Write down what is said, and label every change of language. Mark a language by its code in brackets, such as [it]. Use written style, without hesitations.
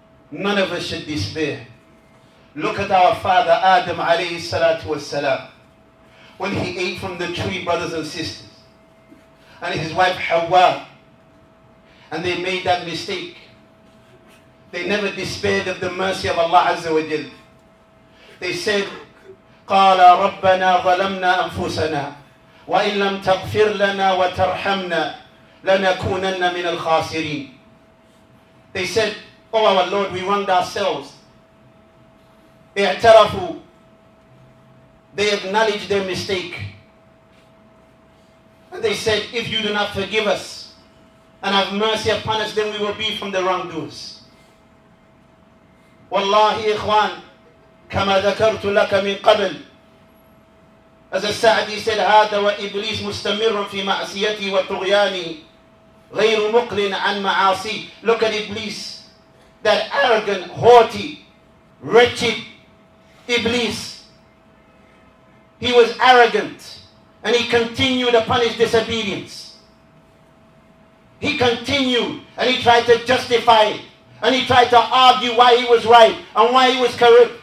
[en] None of us should despair. Look at our father Adam alayhi salatu wassalam. When he ate from the tree, brothers and sisters, and his wife Hawa, and they made that mistake. They never despaired of the mercy of Allah Azza wa Jal. They said, [ar] قَالَ رَبَّنَا ظَلَمْنَا أَنفُسَنَا وَإِن لَمْ تَغْفِرْ لَنَا وَتَرْحَمْنَا لَنَكُونَنَّ مِنَ الْخَاسِرِينَ. [en] They said, oh our Lord, we wronged ourselves. [ar] اعترفوا. [en] They acknowledged their mistake. And they said, if you do not forgive us and have mercy upon us, then we will be from the wrongdoers. [ar] Wallahi ikhwan, كما ذكرت لك من قبل. [en] As [ar] السعدي [en] said, [ar] هذا وإبليس مستمر في معصيته وطغيانه غير مقلن عن معاصي. [en] Look at Iblis, that arrogant, haughty, wretched Iblis. He was arrogant and he continued upon his disobedience. He continued and he tried to justify it. And he tried to argue why he was right and why he was corrupt.